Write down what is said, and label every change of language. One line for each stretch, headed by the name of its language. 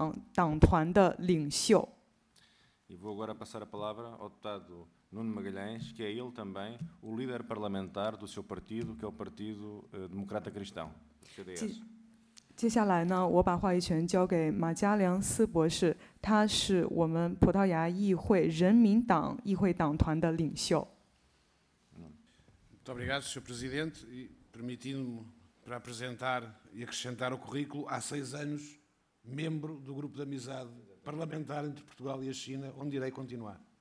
Chinese: 我在这里呢想要强调一下，就是我们的奥利维拉博士呢，就是刚刚讲话的葡萄牙共产党的议员，他是我们葡萄牙议会葡萄牙共产党党团的领袖。
Portuguese: E vou agora passar a palavra ao deputado Nuno Magalhães, que é ele também o líder parlamentar do seu partido, que é o Partido Democrata Cristão, CDS.
Chinese: 接下来呢，我把话语权交给马嘉良斯博士，他是我们葡萄牙议会人民党议会党团的领袖。
Portuguese: Muito obrigado, Sr. Presidente, e permitindo-me para apresentar e acrescentar o currículo, há 6 anos, membro do Grupo de Amizade Parlamentar entre Portugal e a China, onde irei continuar.